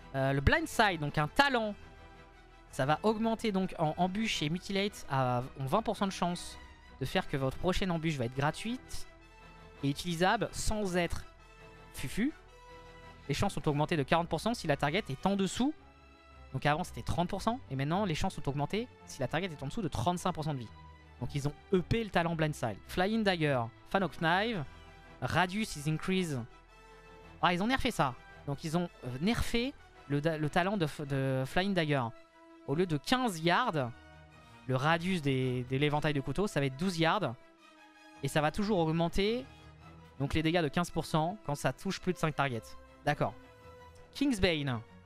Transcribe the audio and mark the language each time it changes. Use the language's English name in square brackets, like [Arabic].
[French] Le blindside, donc un talent. Ça va augmenter donc en embûche et mutilate à 20% de chance de faire que votre prochaine embûche va être gratuite et utilisable sans être fufu. Les chances ont augmenté de 40% si la target est en dessous. Donc avant c'était 30% et maintenant les chances ont augmenté si la target est en dessous de 35% de vie. Donc ils ont upé le talent blindside. [English] Flying Dagger, Fan of Knife, Radius is increase. [French] Ah, ils ont nerfé ça. Donc ils ont nerfé le talent de Flying Dagger. Au lieu de 15 yards, le radius de l'éventail de couteau, ça va être 12 yards. Et ça va toujours augmenter donc les dégâts de 15% quand ça touche plus de 5 targets. D'accord. Kingsbane.